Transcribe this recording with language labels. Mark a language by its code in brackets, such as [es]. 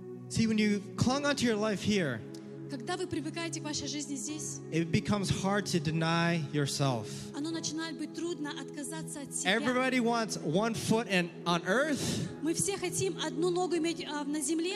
[en] See, when you clung onto your life here, [ru] когда вы привыкаете к вашей жизни здесь, [en] it becomes hard to deny yourself. [ru] Оно начинает быть трудно отказаться от себя. [en] Everybody wants one foot in, on earth. [ru] Мы все хотим одну ногу иметь на земле.